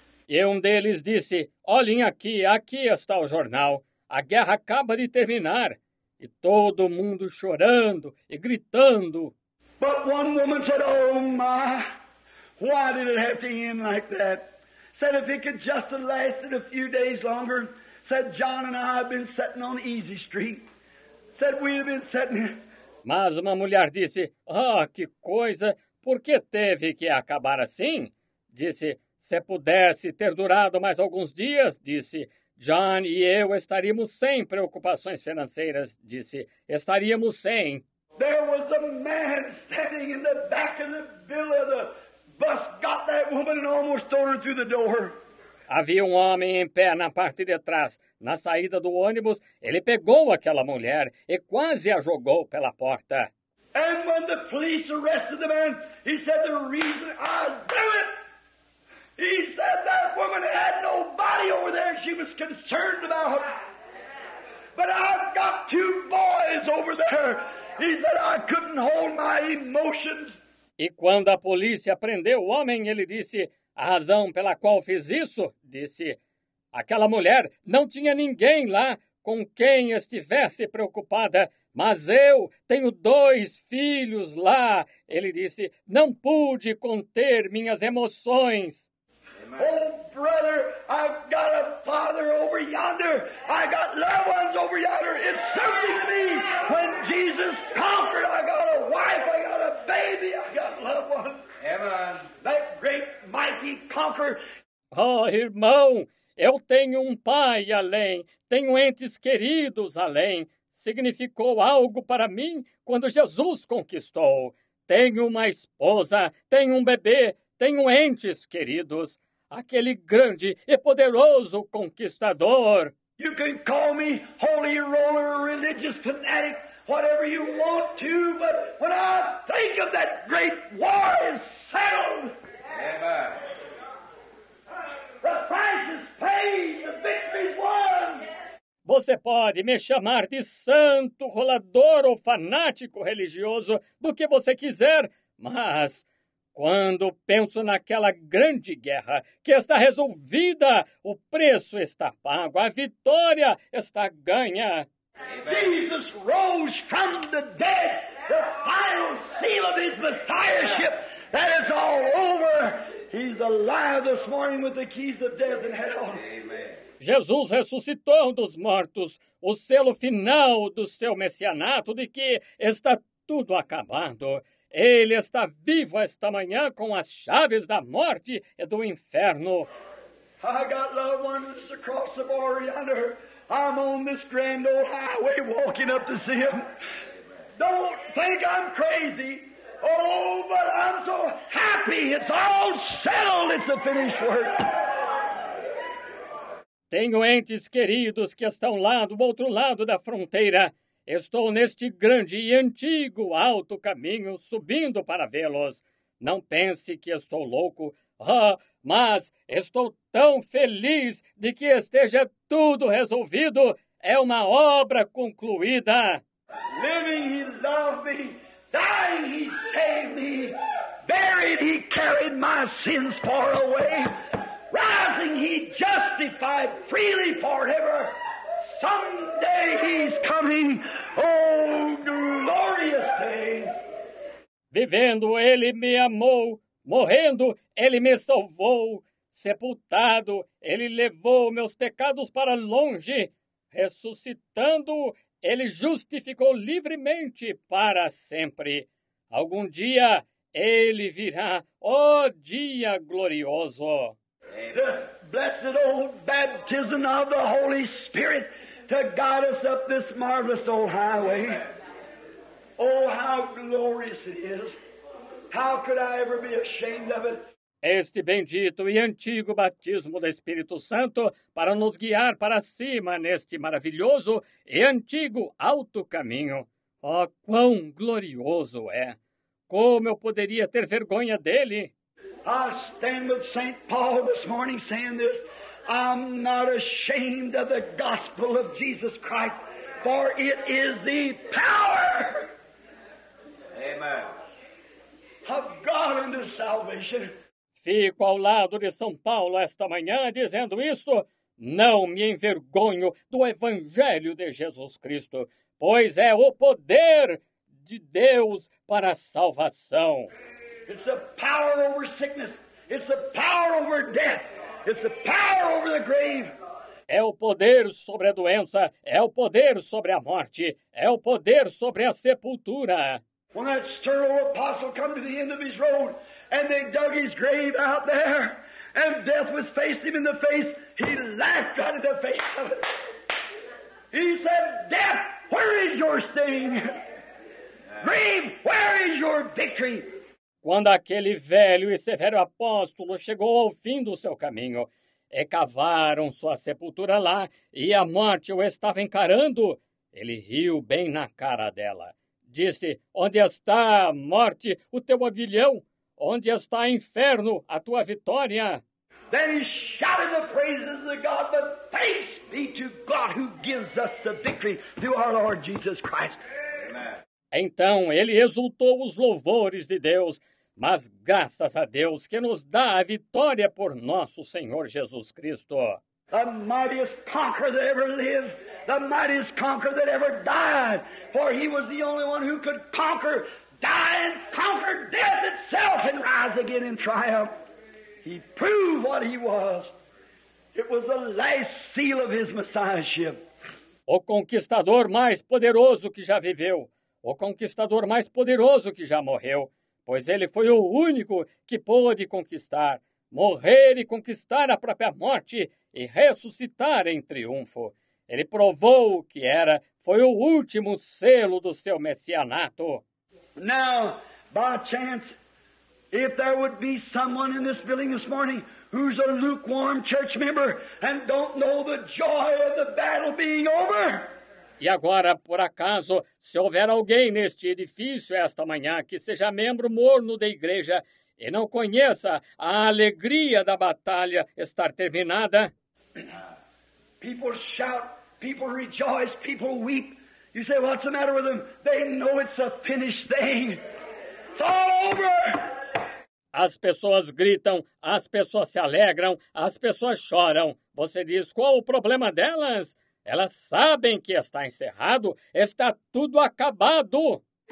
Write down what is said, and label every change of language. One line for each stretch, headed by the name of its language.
Portuguese: E um deles disse, olhem aqui, aqui está o jornal. A guerra acaba de terminar. E todo mundo chorando e gritando.
English: But one woman said, oh my, why did it have to end like that? Said if it could just have lasted a few days longer, said John and I have been sitting on Easy Street. Said we have been sitting.
Portuguese: Mas uma mulher disse, oh, que coisa, por que teve que acabar assim? Disse, se pudesse ter durado mais alguns dias, disse, John e eu estaríamos sem preocupações financeiras, disse, estaríamos sem.
English: There was a man standing in the back of the villa, the bus got that woman and almost threw her through the door.
Portuguese: Havia um homem em pé na parte de trás. Na saída do ônibus, ele pegou aquela mulher e quase a jogou pela porta.
English: And when the police arrested the man, he said the reason I knew it. He said that woman had nobody over there she was concerned about. But I've got two boys over there. He said I couldn't hold my emotions.
Portuguese: E quando a polícia prendeu o homem, ele disse, a razão pela qual fiz isso, disse, aquela mulher não tinha ninguém lá com quem estivesse preocupada, mas eu tenho dois filhos lá, ele disse, não pude conter minhas emoções.
English: Oh, brother, I've got a father over yonder. I got loved ones over yonder. It's something to me. When Jesus conquered, I got a wife, I got a baby, I got loved ones. Amen. That great, mighty conqueror.
Portuguese: Oh, irmão, eu tenho um pai além. Tenho entes queridos além. Significou algo para mim quando Jesus conquistou. Tenho uma esposa, tenho um bebê, tenho entes queridos. Aquele grande e poderoso conquistador.
English: You can call me holy roller, religious fanatic, whatever you want to, but when I think of that great war is settled. Amen. The price is paid, the victory's won.
Portuguese: Você pode me chamar de santo, rolador ou fanático religioso, do que você quiser, mas... quando penso naquela grande guerra que está resolvida, o preço está pago, a vitória está ganha.
English: Jesus rose from the dead, the final seal of his messiahship, that is all over. He's alive this morning with the keys of death and hell. Amen.
Portuguese: Jesus ressuscitou dos mortos, o selo final do seu messianato de que está tudo acabado. Ele está vivo esta manhã com as chaves da morte e do inferno.
English: I got loved ones across the border yonder. I'm on this grand old highway walking up to see him. Don't think I'm crazy. Oh, but I'm so happy. It's all settled. It's a finished work.
Portuguese: Tenho entes queridos que estão lá do outro lado da fronteira. Estou neste grande e antigo alto caminho, subindo para vê-los. Não pense que estou louco. Ah, mas estou tão feliz de que esteja tudo resolvido. É uma obra concluída.
English: Living he loved me, dying he saved me, buried he carried my sins far away, rising he justified freely forever. Someday he's coming, oh glorious day.
Portuguese: Vivendo ele me amou, morrendo ele me salvou, sepultado ele levou meus pecados para longe, ressuscitando ele justificou livremente para sempre. Algum dia ele virá, oh dia glorioso.
English: This blessed old baptism of the Holy Spirit to guide us up this marvelous old highway. Oh, how glorious it is. How could I ever be ashamed of it?
Portuguese: Este bendito e antigo batismo do Espírito Santo para nos guiar para cima neste maravilhoso e antigo alto caminho. Oh, quão glorioso é! Como eu poderia ter vergonha dele?
English: I stand with St. Paul this morning saying this. I'm not ashamed of the gospel of Jesus Christ, for it is the power. Amen. Of God unto salvation.
Portuguese: Fico ao lado de São Paulo esta manhã dizendo isto. Não me envergonho do Evangelho de Jesus Cristo, pois é o poder de Deus para a salvação.
English: It's a power over sickness. It's a power over death. It's a power over the grave.
Portuguese: É o poder sobre a doença. É o poder sobre a morte. É o poder sobre a sepultura.
English: When that stern old apostle come to the end of his road, and they dug his grave out there, and death was facing him in the face, he laughed out of the face of it. He said, death, where is your sting? Grave, where is your victory?
Portuguese: Quando aquele velho e severo apóstolo chegou ao fim do seu caminho, e cavaram sua sepultura lá, e a morte o estava encarando, ele riu bem na cara dela. Disse, onde está, morte, o teu aguilhão? Onde está, inferno, a tua vitória?
English: Then he shouted the praises of God, but thanks be to God who gives us the victory through our Lord Jesus Christ. Amen.
Portuguese: Então ele exultou os louvores de Deus, mas graças a Deus que nos dá a vitória por nosso Senhor Jesus Cristo.
English: The mightiest conqueror that ever lived, the mightiest conqueror that ever died, for he was the only one who could conquer, die and conquer death itself and rise again in triumph. He proved what he was. It was the last seal of his messiahship.
Portuguese: O conquistador mais poderoso que já viveu, o conquistador mais poderoso que já morreu, pois ele foi o único que pôde conquistar, morrer e conquistar a própria morte e ressuscitar em triunfo. Ele provou o que era, foi o último selo do seu messianato.
English: Now, by chance, if there would be someone in this building this morning who's a lukewarm church member and don't know the joy of the battle being over.
Portuguese: E agora, por acaso, se houver alguém neste edifício esta manhã que seja membro morno da igreja e não conheça a alegria da batalha estar terminada.
English: People shout, people rejoice, people weep. You say, what's the matter with them? They know it's a finished thing. It's all over.
Portuguese: As pessoas gritam, as pessoas se alegram, as pessoas choram. Você diz, qual o problema delas? Elas sabem que está encerrado, está tudo acabado.